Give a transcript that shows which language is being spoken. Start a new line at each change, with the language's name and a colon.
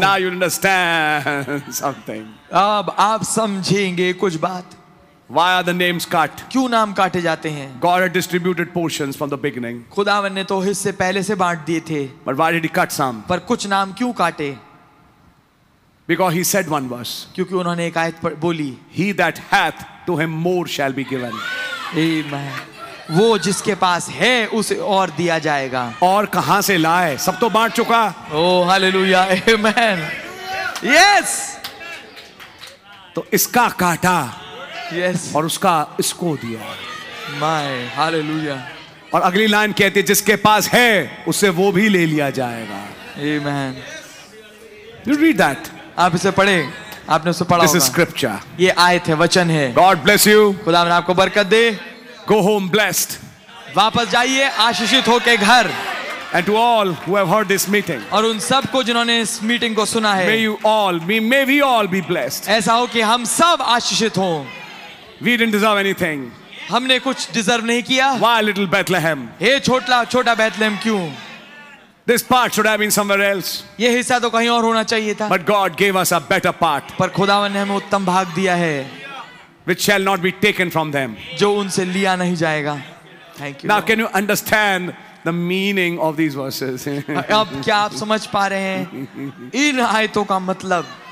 English: Now you understand something.
Hindi: अब आप समझेंगे कुछ बात.
English: Why are the names cut?
Hindi: क्यों नाम काटे जाते हैं?
English: God had distributed portions from the beginning.
Hindi: खुदावन ने तो हिस्से पहले से बांट दिए थे.
English: But why did he cut some?
Hindi: पर कुछ नाम क्यों काटे?
English: Because he said one verse.
Hindi: क्योंकि उन्होंने एक आयत बोली.
English: He that hath to him more shall be given. Amen.
Hindi: वो जिसके पास है उसे और दिया जाएगा. और कहां से लाए? सब तो बांट चुका.
English: Oh, hallelujah. Amen. Yes.
Hindi: तो इसका काटा.
English: Yes.
Hindi: और उसका इसको दिया.
English: My, hallelujah.
Hindi: और अगली लाइन कहती है जिसके पास है उसे वो भी ले लिया जाएगा.
English: Amen. You read that.
Hindi: आप इसे पढ़े, आपने उसे पढ़ा.
English: This is scripture.
Hindi: ये आयत है, वचन है.
English: God bless you.
Hindi: खुदा ने आपको बरकत दे.
English: Go home blessed.
Hindi: वापस जाइए आशीषित होके घर.
English: And to all who have heard this meeting.
Hindi: और उन सब को जिन्होंने इस मीटिंग को सुना है.
English: May we all be blessed.
Hindi: ऐसा हो कि हम सब आशीषित हों.
English: We didn't deserve anything.
Hindi: हमने कुछ डिजर्व नहीं किया.
English: Why little Bethlehem?
Hindi: हे छोटा छोटा बेथलहम क्यों?
English: This part should have been somewhere else.
Hindi: ये हिस्सा तो कहीं और होना चाहिए था.
English: But God gave us a better part.
Hindi: पर खुदावन ने हमें उत्तम भाग दिया है.
English: Which shall not be taken from them.
Hindi: जो उनसे लिया नहीं जाएगा.
English: Thank you. Now can you understand the meaning of these verses?
Hindi: अब क्या आप समझ पा रहे हैं इन आयतों का मतलब?